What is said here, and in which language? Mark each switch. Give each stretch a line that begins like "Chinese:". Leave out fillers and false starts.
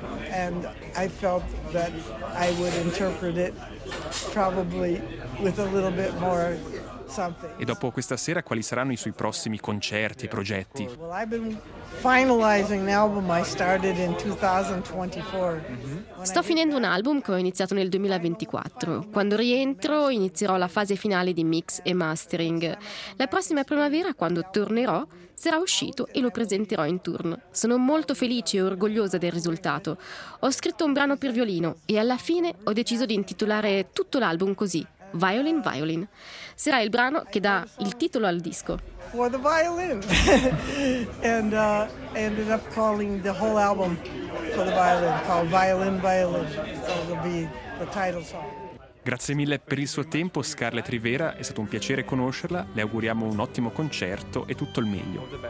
English: And I felt that I would interpret it probably with a little bit more something.
Italian: E dopo questa sera quali saranno i suoi prossimi concerti e progetti?
English: Well, I've been finalizing an album I started in 2024.
Italian: Sto finendo un album che ho iniziato nel 2024. Quando rientro inizierò la fase finale di mix e mastering. La prossima primavera, quando tornerò, sarà uscito e lo presenterò in tour. Sono molto felice e orgogliosa del risultato. Ho scritto un brano per violino e alla fine ho deciso di intitolare tutto l'album così, Violin Violin. Sarà il brano che dà il titolo al disco.
English: For the violin. And ended up calling the whole album for the violin, called Violin Violin. So it'll be the title song.
Italian: Grazie mille per il suo tempo, Scarlett Rivera. È stato un piacere conoscerla. Le auguriamo un ottimo concerto e tutto il meglio.